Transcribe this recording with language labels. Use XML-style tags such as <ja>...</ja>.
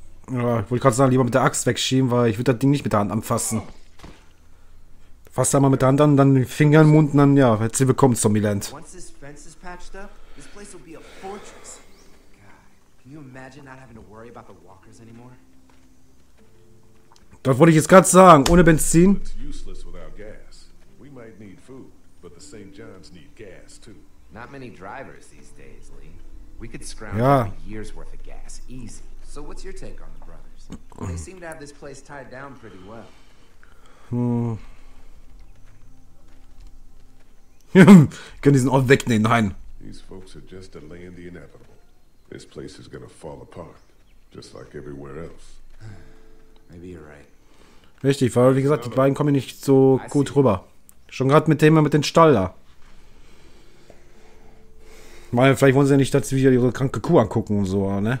<de>Ja, ich wollte gerade sagen, lieber mit der Axt wegschieben, weil ich würde das Ding nicht mit der Hand anfassen. Fass da mal mit der Hand an, dann den Finger in den Mund und dann, ja, herzlich willkommen, Zombieland.</de> <en>Once this fence is patched up, this place will be a fortress. God, can you imagine not having to worry about the walkers anymore?</en> <de>Das wollte ich jetzt gerade sagen, ohne Benzin.</de> <en>It's useless without gas. We might need food, but the St. John's need gas too. Not many drivers these days, Lee. We could scrounge up a year's worth of gas, easy. So what's your take on the brothers? They seem to have this place tied down pretty well.</en> <de>Können diesen Ort wegnehmen? Nein.</de> <en>These folks are just delaying the inevitable. This place is gonna fall apart, just like everywhere else. Maybe you're right.</en> <de>Richtig, weil wie gesagt, die beiden kommen nicht so gut rüber. Schon gerade mit dem mit den Stall da. Meine, vielleicht wollen sie ja nicht, dass sie wieder ihre kranke Kuh angucken und so, ne?</de>